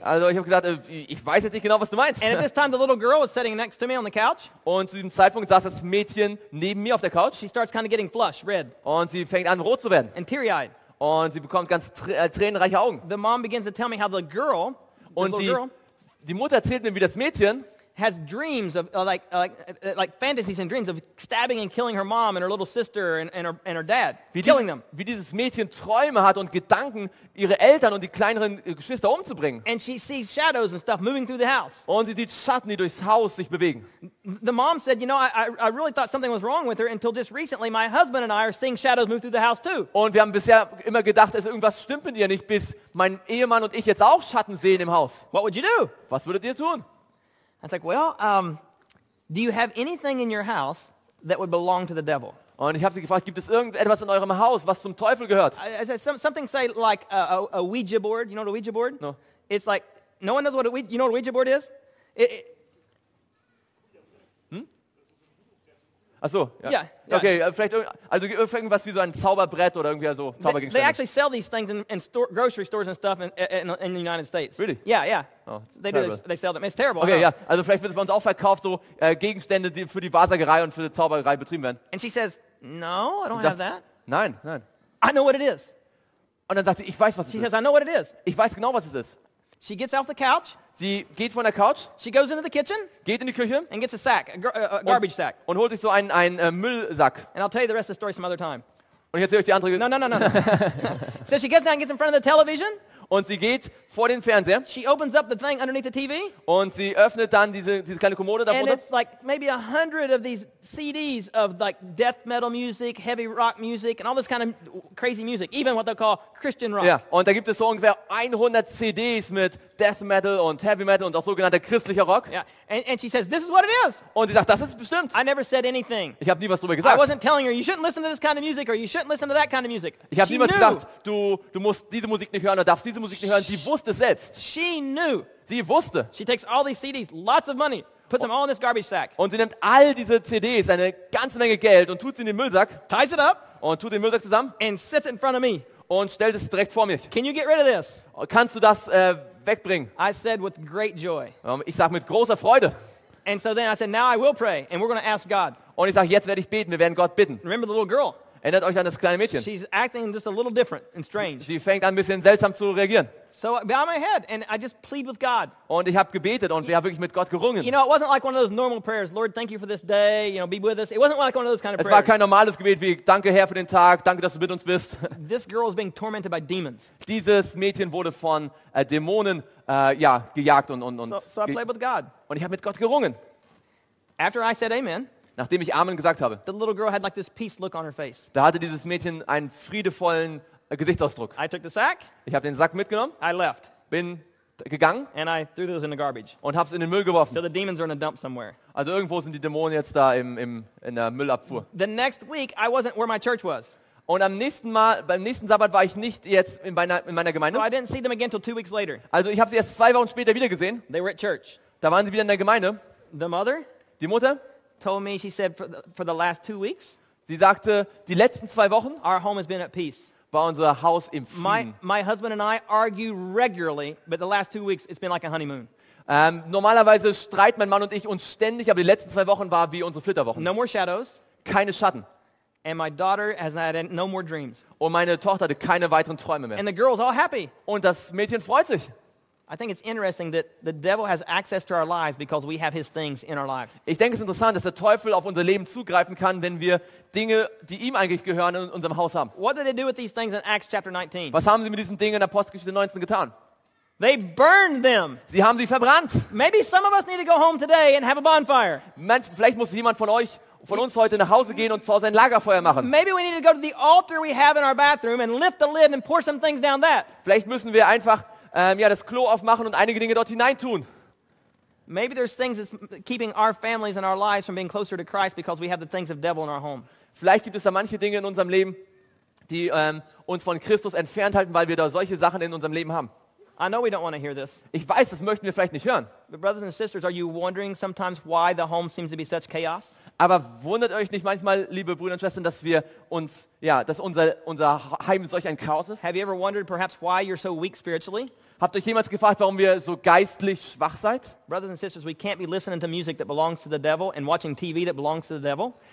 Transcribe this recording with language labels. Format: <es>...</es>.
<de>Also, ich habe gesagt, ich weiß jetzt nicht genau, was du meinst.</de> <en>And at this time, the little girl was sitting next to me on the couch.</en> <de>Und zu diesem Zeitpunkt saß das Mädchen neben mir auf der Couch.</de> <en>She starts kind of getting flushed, red.</en> <de>Und sie fängt an, rot zu werden.</de> <en>And teary-eyed.</en> <de>Und sie bekommt ganz tränenreiche Augen.</de> <en>The mom begins to tell me how the girl,</en> <de>und</de> <en>this little girl,</en> <de>die Mutter erzählt mir, wie das Mädchen</de> <en>has dreams of like fantasies and dreams of stabbing and killing her mom and her little sister and her dad, killing them.</en> <de>Wie dieses Mädchen Träume hat und Gedanken, ihre Eltern und die kleineren Geschwister umzubringen.</de> <en>And she sees shadows and stuff moving through the house.</en> <de>Und sie sieht Schatten, die durchs Haus sich bewegen.</de> <en>The mom said, you know, I really thought something was wrong with her until just recently my husband and I are seeing shadows move through the house too.</en> <de>Und wir haben bisher immer gedacht, dass irgendwas stimmt mit ihr nicht, bis mein Ehemann und ich jetzt auch Schatten sehen im Haus.</de> <en>What would you do?</en> <de>Was würdet ihr tun?</de> <en>I was like, well, do you have anything in your house that would belong to the devil?</en> <de>Und ich habe sie gefragt, gibt es irgendetwas in eurem Haus, was zum Teufel gehört?</de> <en>I said, something say like a Ouija board. You know what a Ouija board? No. It's like, no one knows what a Ouija, you know what a Ouija board is?</en> <de>Ach so, ja. Okay, vielleicht irgendwas wie so ein Zauberbrett oder irgendwie so Zaubergegenstände.</de> <en>They actually sell these things in grocery stores and stuff in the United States. Really? Yeah, yeah. Oh, they sell them. It's terrible. Okay, yeah.</en> <de>Also vielleicht wird es bei uns auch verkauft, so Gegenstände, die für die Wahrsagerei und für die Zauberei betrieben werden.</de> <en>And she says, no, I don't have that.</en> <de>Nein, nein.</de> <en>I know what it is.</en> <de>Und dann sagt sie, ich weiß, was es ist.</de> <en>She says, I know what it is.</en> <de>Ich weiß genau, was es ist.</de> <en>She gets off the couch.</en> <de>Sie geht von der Couch.</de> <en>She goes into the kitchen.</en> <de>Geht in die Küche.</de> <en>And gets a sack, a garbage sack.</en> <de>Und holt sich so einen Müllsack.</de> <en>And I'll tell you the rest of the story some other time.</en> <de>Und ich erzähle euch die andere.</de> <en>No. So she gets down and gets in front of the television.</en> <de>Und sie geht vor den Fernseher.</de> <en>She opens up the thing underneath the TV.</en> <de>Und sie öffnet dann diese kleine Kommode darunter.</de> <en>And it's like maybe 100 of these CDs of like death metal music, heavy rock music, and all this kind of crazy music, even what they call Christian rock.</en> <de>Ja, und da gibt es so ungefähr 100 CDs mit death metal und heavy metal und auch sogenannter christlicher Rock.</de> <en>Yeah, and she says, this is what it is.</en> <de>Und sie sagt, das ist bestimmt.</de> <en>I never said anything.</en> <de>Ich habe nie was darüber gesagt.</de> <en>I wasn't telling her, you shouldn't listen to this kind of music or you shouldn't listen to that kind of music.</en> <de>Ich habe niemals gesagt, du musst diese Musik nicht hören oder darfst diese Musik nicht hören. Sie wusste selbst.</de> <en>She knew.</en> <de>Sie wusste.</de> <en>She takes all these CDs, lots of money, puts them all in this garbage sack.</en> <de>Und sie nimmt all diese CDs, eine ganze Menge Geld, und tut sie in den Müllsack.</de> <en>Ties it up.</en> <de>Und tut den Müllsack zusammen.</de> <en>And sits in front of me.</en> <de>Und stellt es direkt vor mir.</de> <en>Can you get rid of this?</en> <de>Kannst du das wegbringen?</de> <en>I said with great joy.</en> <de>Ich sag mit großer Freude.</de> <en>And so then I said, now I will pray, and we're going to ask God.</en> <de>Und ich sag, jetzt werde ich beten. Wir werden Gott bitten.</de> <en>Remember the little girl.</en> <de>Erinnert euch an das kleine Mädchen.</de> <en>She's acting just a little different and strange.</en> <de>Sie fängt an, ein bisschen seltsam zu reagieren.</de> <en>So I bow my head and I just plead with God.</en> <de>Und ich habe gebetet und wir haben wirklich mit Gott gerungen.</de> <en>You know, it wasn't like one of those normal prayers. Lord, thank you for this day. You know, be with us. It wasn't like one of those kind of</en> <de>es</de> <en>prayers.</en> <de>Es war kein normales Gebet wie Danke, Herr, für den Tag. Danke, dass du mit uns bist.</de> <en>This girl is being tormented by demons.</en> <de>Dieses Mädchen wurde von Dämonen gejagt und.</de> <en>So I played with God.</en> <de>Und ich habe mit Gott gerungen.</de> <en>After I said Amen.</en> <de>Nachdem ich Amen gesagt habe,</de> <en>the little girl had like this peace look on her face.</en> <de>Da hatte dieses Mädchen einen friedevollen Gesichtsausdruck.</de> <en>I took the sack.</en> <de>Ich habe den Sack mitgenommen.</de> <en>I left.</en> <de>Bin gegangen.</de> <en>And I threw those in the garbage.</en> <de>Und habe es in den Müll geworfen.</de> <en>So the demons are in a dump somewhere.</en> <de>Also irgendwo sind die Dämonen jetzt da in der Müllabfuhr.</de> <en>The next week I wasn't where my church was.</en> <de>Und beim nächsten Sabbat war ich nicht jetzt in meiner Gemeinde.</de> <en>So I didn't see them again till 2 weeks later.</en> <de>Also ich habe sie erst 2 Wochen später wieder gesehen.</de> <en>They were at church.</en> <de>Da waren sie wieder in der Gemeinde.</de> <en>The mother.</en> <de>Die Mutter</de> <en>told me, she said, for the last 2 weeks,</en> <de>sie sagte, die letzten 2 Wochen,</de> <en>our home has been at peace.</en> <de>War unser Haus im Frieden.</de> <en>My husband and I argue regularly, but the last 2 weeks, it's been like a honeymoon.</en> <de>Normalerweise streit mein Mann und ich uns ständig, aber die letzten 2 Wochen war wie unsere Flitterwochen.</de> <en>No more shadows.</en> <de>Keine Schatten.</de> <en>And my daughter has had no more dreams.</en> <de>Und meine Tochter hatte keine weiteren Träume mehr.</de> <en>And the girl's all happy.</en> <de>Und das Mädchen freut sich.</de> <en>I think it's interesting that the devil has access to our lives because we have his things in our life.</en> <de>Ich denke, es ist interessant, dass der Teufel auf unser Leben zugreifen kann, wenn wir Dinge, die ihm eigentlich gehören, in unserem Haus haben.</de> <en>What did they do with these things in Acts chapter 19?</en> <de>Was haben sie mit diesen Dingen in Apostelgeschichte 19 getan?</de> <en>They burned them.</en> <de>Sie haben sie verbrannt.</de> <en>Maybe some of us need to go home today and have a bonfire.</en> <de>Vielleicht muss jemand von euch, von uns heute nach Hause gehen und zu Hause ein Lagerfeuer machen.</de> <en>Maybe we need to go to the altar we have in our bathroom and lift the lid and pour some things down that.</en> <de>Vielleicht müssen wir einfach das Klo aufmachen und einige Dinge dort hineintun.</de> <en>Maybe there's things that's keeping our families and our lives from being closer to Christ because we have the things of devil in our home.</en> <de>Vielleicht gibt es da manche Dinge in unserem Leben, die uns von Christus entfernt halten, weil wir da solche Sachen in unserem Leben haben.</de> <en>I know we don't want to hear this.</en> <de>Ich weiß, das möchten wir vielleicht nicht hören.</de> <en>But brothers and sisters, are you wondering sometimes why the home seems to be such chaos?</en> <de>Aber wundert euch nicht manchmal, liebe Brüder und Schwestern, dass wir uns, ja, dass unser Heim solch ein Chaos ist?</de> <en>Have you ever wondered perhaps why you're so weak spiritually?</en> <de>Habt ihr euch jemals gefragt, warum wir so geistlich schwach seid?</de> <en>Brothers and sisters, we can't be listening to music that belongs to the devil and watching TV that belongs to the devil.</en>